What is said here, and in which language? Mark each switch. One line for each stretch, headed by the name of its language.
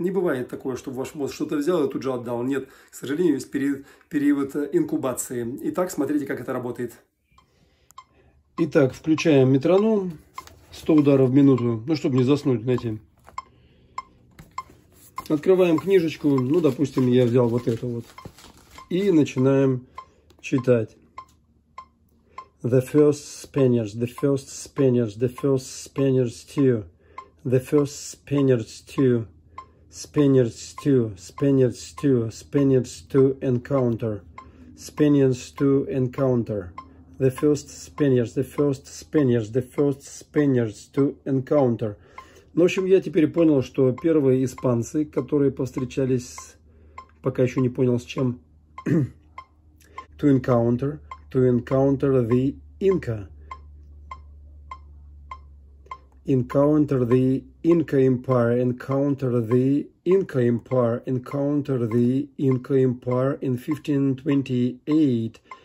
Russian: Не бывает такое, чтобы ваш мозг что-то взял и тут же отдал. Нет, к сожалению, есть период инкубации. Итак, смотрите, как это работает. Итак, включаем метроном. 100 ударов в минуту, ну, чтобы не заснуть, знаете. Открываем книжечку. Ну, допустим, я взял вот эту вот. И начинаем читать.
English: The first Spaniards, the first Spaniards, the first Spaniards too. The first Spaniards too. Spaniards too, Spaniards too, Spaniards to encounter. Spaniards to encounter. The first Spaniards, the first Spaniards, the first Spaniards to encounter.
Russian: Ну, в общем, я теперь понял, что первые испанцы, которые повстречались, пока еще не понял с чем,
English: to encounter the Inca. Encounter the Inca Empire, encounter the Inca Empire, encounter the Inca Empire in 1528.